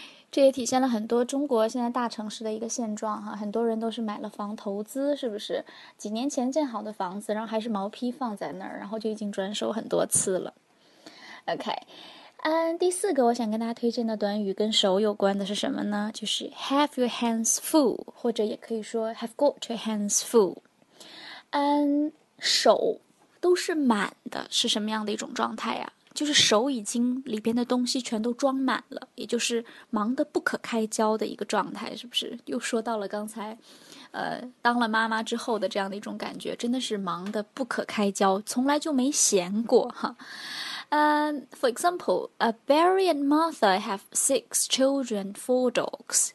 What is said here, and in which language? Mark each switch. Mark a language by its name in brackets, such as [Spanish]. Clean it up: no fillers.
[Chinese] 这也体现了很多中国现在大城市的一个现状哈，很多人都是买了房投资，是不是？几年前建好的房子，然后还是毛坯放在那儿，然后就已经转手很多次了。 OK，第四个我想跟大家推荐的短语跟手有关的是什么呢？就是 [English] have your hands full， [Chinese] 或者也可以说 [English] have got your hands full。 [Chinese] 手。都是满的，是什么样的一种状态呀？就是手已经里边的东西全都装满了，也就是忙得不可开交的一个状态，是不是？又说到了刚才，当了妈妈之后的这样的一种感觉，真的是忙得不可开交，从来就没闲过哈。 [English] For example, Barry and Martha have six children, four dogs.